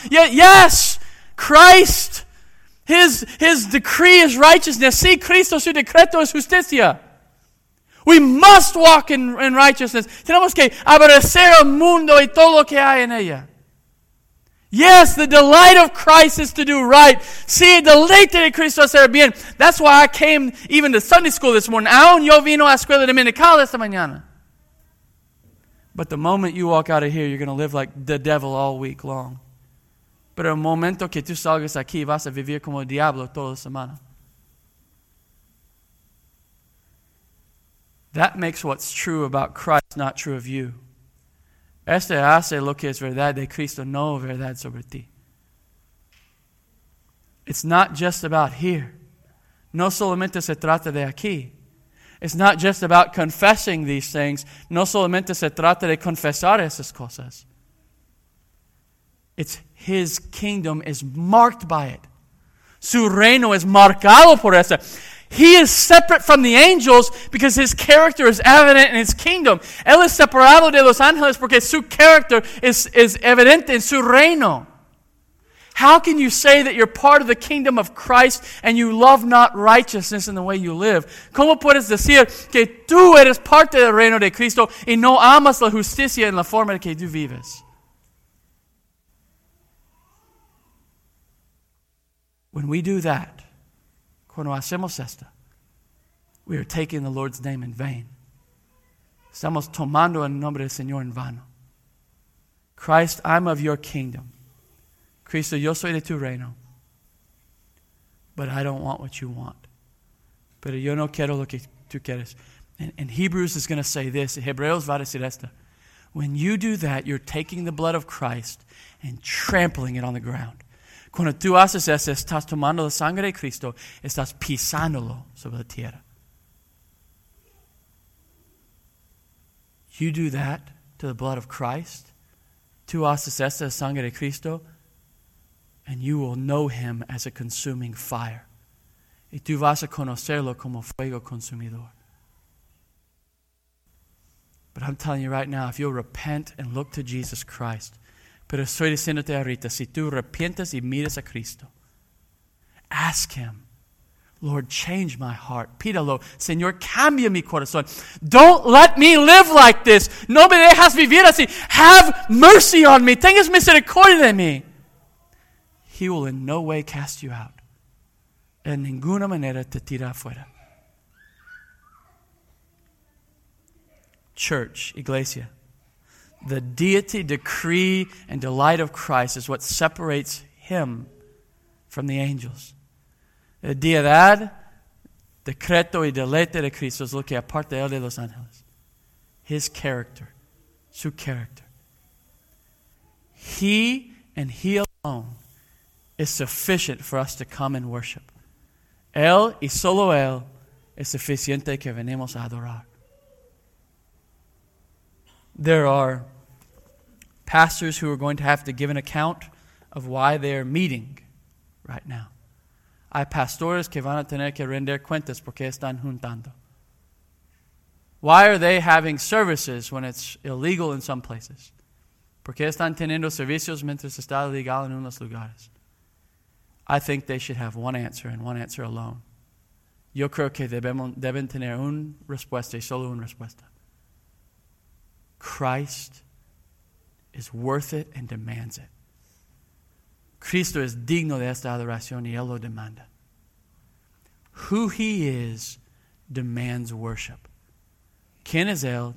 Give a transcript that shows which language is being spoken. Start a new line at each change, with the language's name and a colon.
English: Yes, Christ, his decree is righteousness.
Spanish: Si Cristo su decreto es justicia.
English: We must walk in righteousness.
Spanish: Tenemos que abrazar el mundo y todo lo que hay en ella.
English: Yes, the delight of Christ is to do right.
Spanish: Si el deleite de Cristo hacer bien.
English: That's why I came even to Sunday school this morning.
Spanish: Aún yo vino a escuela dominical esta mañana.
English: But the moment you walk out of here, you're going to live like the devil all week long.
Spanish: Pero el momento que tú salgas aquí, vas a vivir como el diablo toda la semana.
English: That makes what's true about Christ not true of you.
Spanish: Este hace lo que es verdad de Cristo, no verdad sobre ti.
English: It's not just about here.
Spanish: No solamente se trata de aquí.
English: It's not just about confessing these things.
Spanish: No solamente se trata de confesar esas cosas.
English: It's his kingdom is marked by it.
Spanish: Su reino es marcado por eso.
English: He is separate from the angels because his character is evident in his kingdom.
Spanish: Él es separado de los ángeles porque su character is evidente en su reino.
English: How can you say that you're part of the kingdom of Christ and you love not righteousness in the way you live?
Spanish: ¿Cómo puedes decir que tú eres parte del reino de Cristo y no amas la justicia en la forma que tú vives?
English: When we do that,
Spanish: cuando hacemos esto,
English: we are taking the Lord's name in vain.
Spanish: Estamos tomando el nombre del Señor en vano.
English: Christ, I'm of your kingdom.
Spanish: Cristo, yo soy de tu reino.
English: But I don't want what you want.
Spanish: Pero yo no quiero lo que tú quieres.
English: And Hebrews is going to say this.
Spanish: Hebreos va a decir esto.
English: When you do that, you're taking the blood of Christ and trampling it on the ground.
Spanish: Cuando tú haces eso, estás tomando la sangre de Cristo, estás pisándolo sobre la tierra.
English: You do that to the blood of Christ,
Spanish: tú haces eso de la sangre de Cristo,
English: and you will know him as a consuming fire.
Spanish: Y tú vas a conocerlo como fuego consumidor.
English: But I'm telling you right now, if you'll repent and look to Jesus Christ,
Spanish: pero estoy diciéndote ahorita, si tú arrepientes y miras a Cristo,
English: ask him, Lord, change my heart.
Spanish: Pídalo, Señor, cambia mi corazón.
English: Don't let me live like this.
Spanish: No me dejas vivir así.
English: Have mercy on me.
Spanish: Tengas misericordia de mí.
English: He will in no way cast you out.
Spanish: En ninguna manera te tira afuera.
English: Church, iglesia. The deity, decree, and delight of Christ is what separates him from the angels.
Spanish: La deidad, decreto y deleite de Cristo es lo que aparta él de los ángeles.
English: His character, su character. He and he alone is sufficient for us to come and worship.
Spanish: Él y solo él es suficiente que venimos a adorar.
English: There are pastors who are going to have to give an account of why they're meeting right now.
Spanish: Hay pastores que van a tener que render cuentas porque están juntando.
English: Why are they having services when it's illegal in some places?
Spanish: Porque están teniendo servicios mientras está legal en unos lugares.
English: I think they should have one answer and one answer alone.
Spanish: Yo creo que deben tener una respuesta y solo una respuesta.
English: Christ is worth it and demands it.
Spanish: Cristo es digno de esta adoración y él lo demanda.
English: Who he is demands worship.
Spanish: ¿Quién es él?